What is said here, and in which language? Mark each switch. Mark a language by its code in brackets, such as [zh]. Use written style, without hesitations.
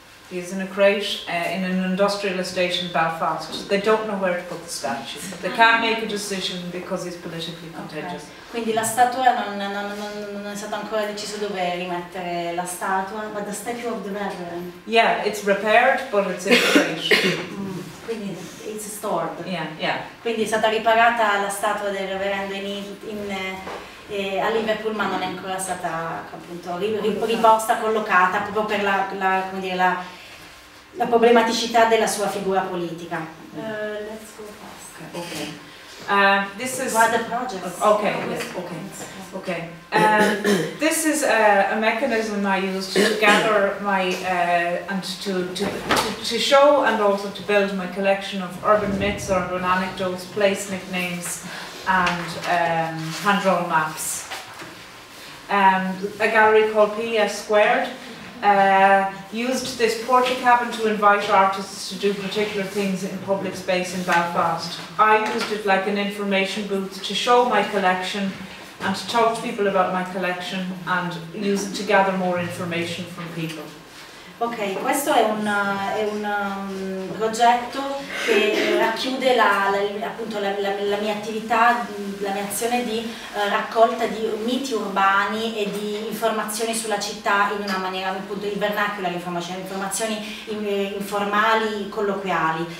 [en] He's in a crate in an industrial estate in Belfast. They don't know where to put the statue. They can't make a decision because he's politically contagious. Okay. [it] Quindi la statua non è stato ancora deciso dove rimettere la statua, [en] but the statue of the Reverend. Yeah, it's repaired, but it's in a crate. Quindi it's stored. Yeah, yeah. [it] Quindi è stata riparata la statua del Reverendo a Liverpool, ma non è ancora stata appunto riposta, collocata proprio per la problematicità della sua figura politica. [en] Let's go fast. Okay. This is what the project. Okay. Okay. Okay. This is a mechanism I used to gather my and to show and also to build my collection of urban myths, urban anecdotes, place nicknames, and hand-drawn maps. A gallery called PS Squared used this portrait cabin to invite artists to do particular things in public space in Belfast. I used it like an information booth to show my collection and to talk to people about my collection and use it to gather more information from people. [it] Ok, questo è un progetto che racchiude la mia attività, la mia azione di raccolta di miti urbani e di informazioni sulla città in una maniera appunto di vernacolo, informazioni informali, colloquiali.